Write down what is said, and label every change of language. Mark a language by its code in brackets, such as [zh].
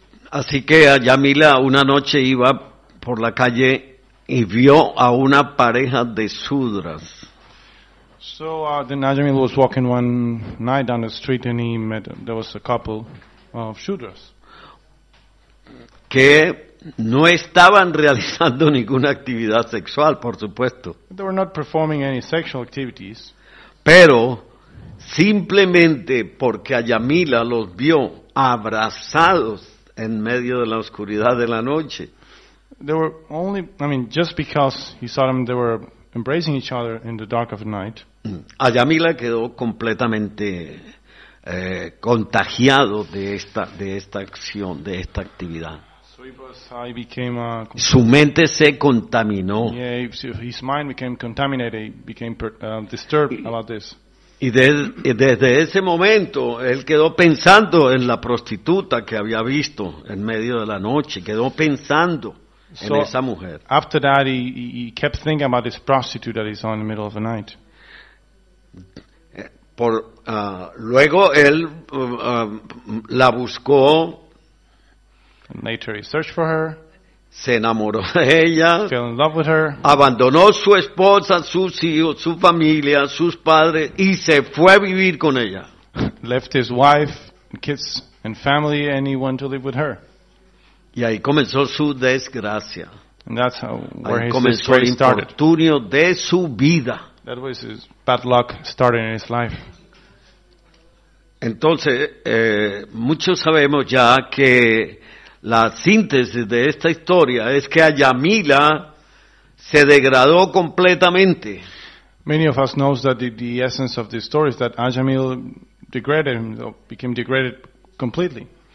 [es] Así que Ayamila una noche iba por la calle y vio a una pareja de sudras. [en] So then Ayamila was walking one night down the street and he met, there was a couple of shudras. [es] Que no estaban realizando ninguna actividad sexual, por supuesto. [en] They were not performing any sexual activities. [es] Pero simplemente porque Ayamila los vio abrazados en medio de la oscuridad de la noche. [en] They were only, just because he saw them, they were embracing each other in the dark of the night. [es] Ayamila quedó completamente contagiado de esta acción, de esta actividad. [en] So he was, he became, [es] su mente se contaminó. [en] His mind became contaminated, became disturbed about this. [es] Y desde ese momento, él quedó pensando en la prostituta que había visto en medio de la noche. Quedó pensando [en] so [es] en esa mujer. [en] After that, he kept thinking about this prostitute that he saw in the middle of the night. [es] Luego él la buscó. [en] And later he searched for her. [es] Se enamoró de ella. [en] Fell in love with her. [es] Abandonó su esposa, sus hijos, su familia, sus padres y se fue a vivir con ella. [en] Left his wife, kids, and family, and he went to live with her. [es] Y ahí comenzó su desgracia. [en] And that's how where [es] ahí [en] his story started. [es] Infortunio de su vida. [en] That was his bad luck starting in his life. [es] Entonces, muchos sabemos ya que la síntesis de esta historia es que Ayamila se degradó completamente. [en] Many of us knows that the essence of this story is that Ayamila degraded him, became degraded completely.